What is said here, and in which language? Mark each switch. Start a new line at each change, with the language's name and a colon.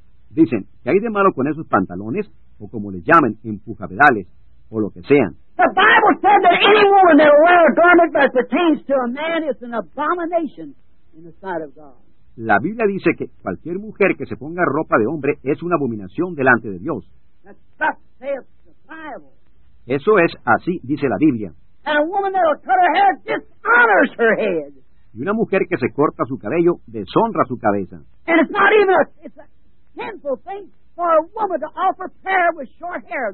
Spanish: Dicen, ¿qué hay de malo con esos pantalones, o como les llamen, empujapedales, o lo que sean?
English: The Bible said that any woman that will wear a garment that pertains to a man is an abomination in the sight of God.
Spanish: La Biblia dice que cualquier mujer que se ponga ropa de hombre es una abominación delante de Dios.
English: That says the Bible.
Spanish: Eso es así, dice la Biblia.
English: And a woman that will cut her hair dishonors her head.
Spanish: Y una mujer que se corta su cabello deshonra su cabeza.
English: And it's not even a sinful thing for a woman to offer prayer with short hair.